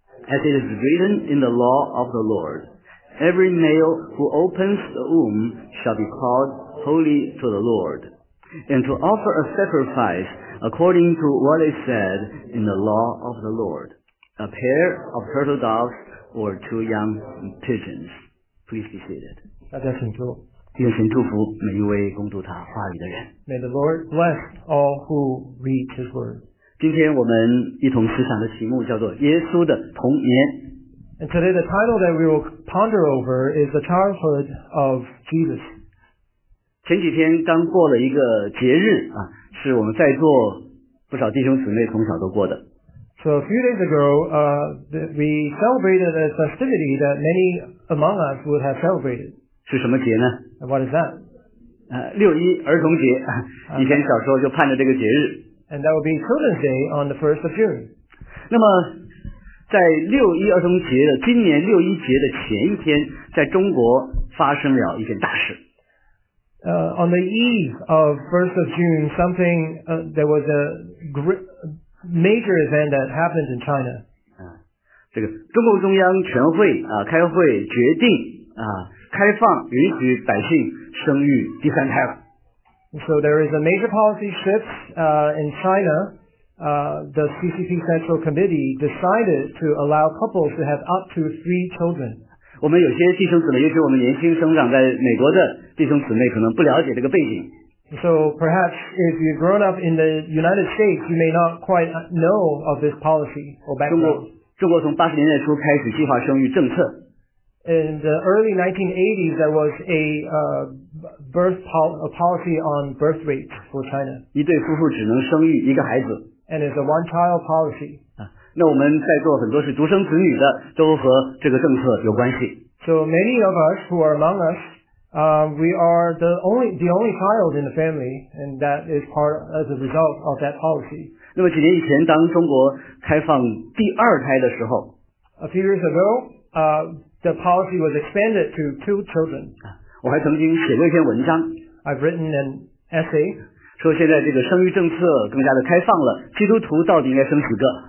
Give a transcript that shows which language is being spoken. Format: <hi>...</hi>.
<en>As it is written in the law of the Lord, every male who opens the womb shall be called holy to the Lord, and to offer a sacrifice according to what is said in the law of the Lord, a pair of turtle doves or two young pigeons. Please be seated.</en> <zh>大家请坐。愿神祝福每一位恭读他话语的人。</zh> <en>May the Lord bless all who read His word.</en> <zh>今天我们一同思想的题目叫做耶稣的童年。</zh> <en>And today the title that we will ponder over is the childhood of Jesus.</en> <zh>前几天刚过了一个节日啊，是我们在座不少弟兄姊妹从小都过的。</zh> <en>So a few days ago, we celebrated a festivity that many among us would have celebrated.</en> <zh>是什么节呢？</zh> <en>What is that?</en> <zh>六一儿童节，以前小时候就盼着这个节日。</zh> <en>And that would be Children's Day on the 1st of June.</en> <zh>那么在六一儿童节的今年六一节的前一天，在中国发生了一件大事。</zh> <en>On the eve of 1st of June, something, there was a great,major event that happened in China.</en> <zh>这个中共中央全会啊开会决定啊开放允许百姓生育第三胎了。</zh> <en>So there is a major policy shift, in China, the CCP Central Committee decided to allow couples to have up to 3 children.</en> <zh>我们有些弟兄姊妹，尤其我们年轻生长在美国的弟兄姊妹可能不了解这个背景。</zh> <en>So perhaps if you've grown up in the United States, you may not quite know of this policy or background.</en> <zh>中国从80年代初开始计划生育政策。</zh> <en>In the early 1980s, there was a, a policy on birth rate for China.</en> <zh>一对夫妇只能生育一个孩子。</zh> <en>And it's a one-child policy.</en> <zh>那我们在座很多是独生子女的，都和这个政策有关系。</zh> <en>So many of us who are among us,we are the only child in the family, and that is part as a result of that policy.</en> <zh>那么几年以前，当中国开放第二胎的时候</zh> <en>，A few years ago, the policy was expanded to 2 children.</en> <zh>我还曾经写过一篇文章</zh> <en>，I've written an essay,</en> <zh>说现在这个生育政策更加的开放了，基督徒到底应该生几个</zh>